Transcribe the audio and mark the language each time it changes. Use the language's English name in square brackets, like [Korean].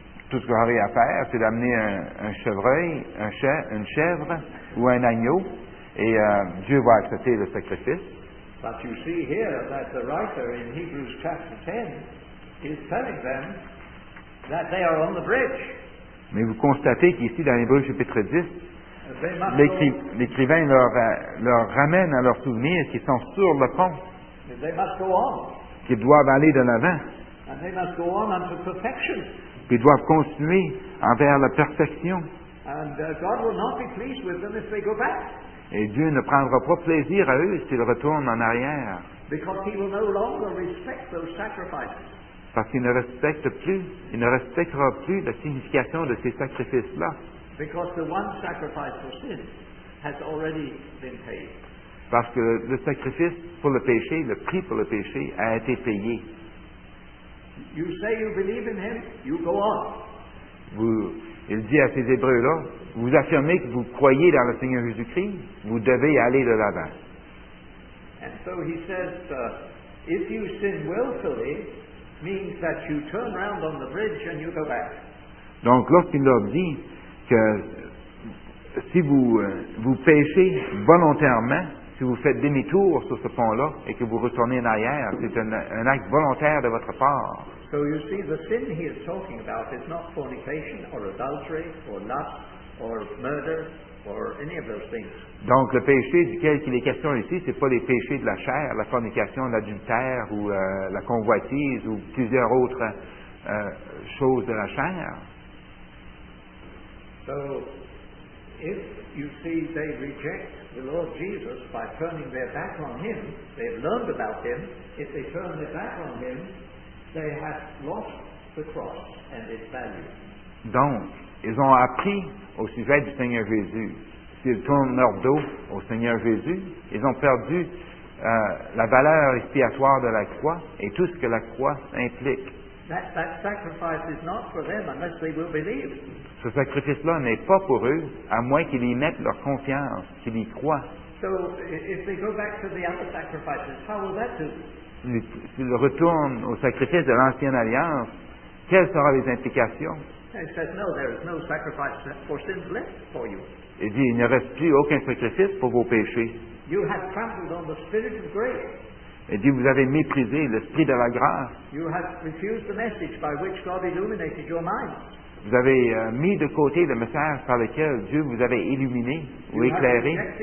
[French] Tout ce que j'aurai à faire, c'est d'amener un chevreuil, une chèvre ou un agneau, et Dieu va accepter le sacrifice. [English] But you see here that the writer in Hebrews chapter 10 is telling them that they are on the bridge. [French] Mais vous constatez qu'ici dans Hébreux chapitre 10, l'écrivain leur ramène à leur souvenir qu'ils sont sur le pont. [English] They must go on. [French] Qu'ils doivent aller de l'avant. [English] And they must go on unto perfection. [French] Qu'ils doivent continuer envers la perfection. [English] And God will not be pleased with them if they go back. [French] Et Dieu ne prendra pas plaisir à eux s'ils retournent en arrière. [English] Because he will no longer respect those sacrifices. [French] Parce qu'il ne respecte plus, il ne respectera plus la signification de ces sacrifices-là. [English] Because the one sacrifice for sin has already been paid. [French] Parce que le sacrifice pour le péché, le prix pour le péché, a été payé. [English] You say you believe in him, you go on. [French] Il dit à ces Hébreux-là, vous affirmez que vous croyez dans le Seigneur Jésus-Christ, vous devez aller de l'avant. [English] And so he says, if you sin willfully, means that you turn round on the bridge and you go back. [French] Donc, lorsqu'il leur dit que si vous péchez volontairement, si vous faites demi-tour sur ce pont-là et que vous retournez en arrière, c'est un acte volontaire de votre part. [English] So you see, the sin he is talking about is not fornication or adultery or lust or murder or any of those things. [French] Donc le péché duquel il est question ici, c'est pas les péchés de la chair, la fornication, l'adultère ou la convoitise ou plusieurs autres choses de la chair. [English] So, if you see they reject the Lord Jesus by turning their back on him, they've learned about him. If they turn their back on him, they have lost the cross and its value. [French] Donc, ils ont appris au sujet du Seigneur Jésus. S'ils tournent leur dos au Seigneur Jésus, ils ont perdu la valeur expiatoire de la croix et tout ce que la croix implique. [English] That sacrifice is not for them unless they will believe. [French] Ce sacrifice-là n'est pas pour eux, à moins qu'ils y mettent leur confiance, qu'ils y croient. [English] So, if they go back to the other sacrifices, how will that do? [French] S'ils retournent au sacrifice de l'Ancienne Alliance, quelles seront les implications? [English] He says, no, there is no sacrifice for sins left for you. [French] Il dit, il ne reste plus aucun sacrifice pour vos péchés. [English] You have trampled on the Spirit of grace. [French] Il dit, vous avez méprisé l'Esprit de la grâce. [English] You have refused the message by which God illuminated your mind. [French] Vous avez mis de côté le message par lequel Dieu vous avait illuminé ou éclairé.